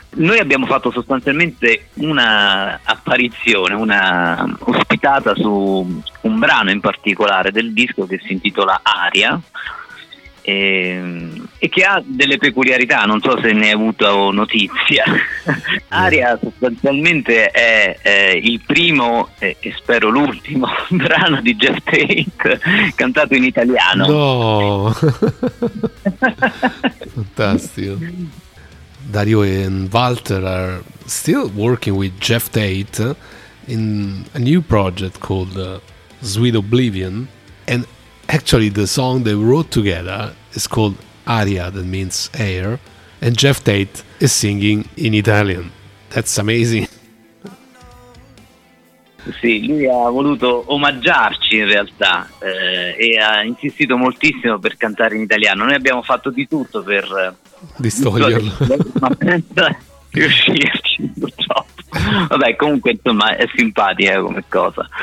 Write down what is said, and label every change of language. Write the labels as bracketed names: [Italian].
[Italian] Noi abbiamo fatto sostanzialmente una apparizione, una ospitata su un brano in particolare del disco, che si intitola Aria e che ha delle peculiarità, non so se ne hai avuto notizia. Aria sostanzialmente è il primo e spero l'ultimo brano di Jeff Tate cantato in italiano. No! Fantastico. [English] Dario and Walter are still working with Jeff Tate in a new project called Sweet Oblivion, and actually the song they wrote together is called Aria, that means air, and Jeff Tate is singing in Italian. That's amazing. [Italian] Sì, lui ha voluto omaggiarci in realtà e ha insistito moltissimo per cantare in italiano. Noi abbiamo fatto di tutto per distoglierlo, ma senza riuscirci purtroppo. Vabbè, comunque insomma è simpatica come cosa.